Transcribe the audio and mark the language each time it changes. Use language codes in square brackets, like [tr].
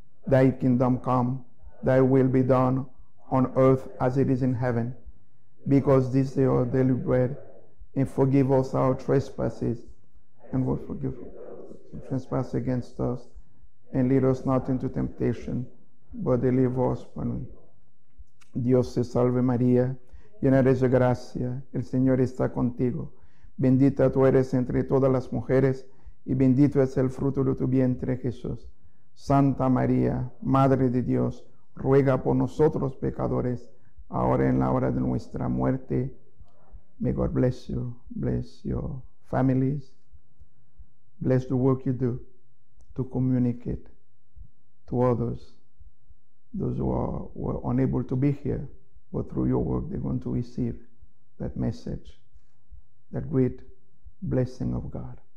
[en] Thy kingdom come, thy will be done on earth as it is in heaven. Because this is our daily bread, and forgive us our trespasses, and we forgive trespass against us, and lead us not into temptation, but deliver us from evil. [es] Dios te salve María, llena eres de gracia, el Señor está contigo. Bendita tú eres entre todas las mujeres, y bendito es el fruto de tu vientre, Jesús. Santa María, Madre de Dios, ruega por nosotros pecadores, ahora y en la hora de nuestra muerte. [en] May God bless your families, bless the work you do to communicate to others, those who were unable to be here, but through your work they're going to receive that message, that great blessing of God.